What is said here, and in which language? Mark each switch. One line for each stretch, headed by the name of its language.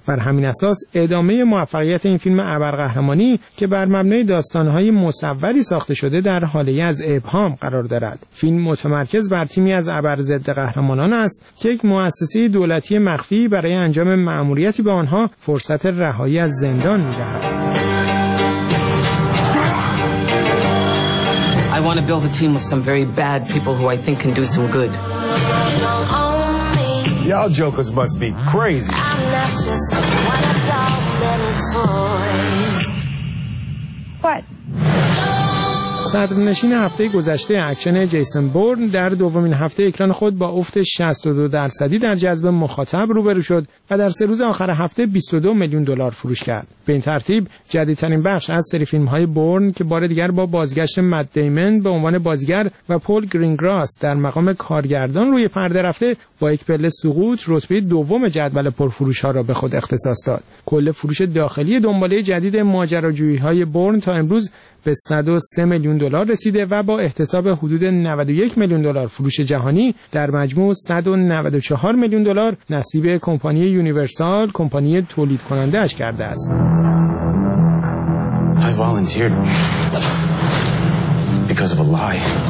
Persian: بر همین اساس ادامه موفقیت این فیلم ابرقهرمانی که بر مبنای داستان‌های مصوری ساخته شده در حاله ای از ابهام قرار دارد. فیلم متمرکز بر تیمی از ابر ضد قهرمانان است که یک مؤسسه دولتی مخفی برای انجام مأموریتی به آنها فرصت رهایی از زندان می‌دهد.
English: I want to build a team of some very bad people who I think can do some good. Y'all jokers must be crazy. I'm not just one of y'all little toys. What?
Persian: صدرنشین هفته گذشته اکشن جیسون بورن در دومین هفته اکران خود با افت 62% در جذب مخاطب روبرو شد و در سه روز آخر هفته 22 میلیون دلار فروش کرد. به این ترتیب جدیدترین بخش از سری فیلم‌های بورن که بار دیگر با بازگشت مت دیمن به عنوان بازیگر و پول گرینگراس در مقام کارگردان روی پرده رفته با یک پله سقوط رتبه دوم جدول پرفروش‌ها را به خود اختصاص داد. کل فروش داخلی دنباله جدید ماجراجویی‌های بورن تا امروز به 103 میلیون دلار رسیده و با احتساب حدود 91 میلیون دلار فروش جهانی در مجموع 194 میلیون دلار نصیب کمپانی یونیورسال، کمپانی تولید کننده اش کرده است.
English: I volunteered because of a lie.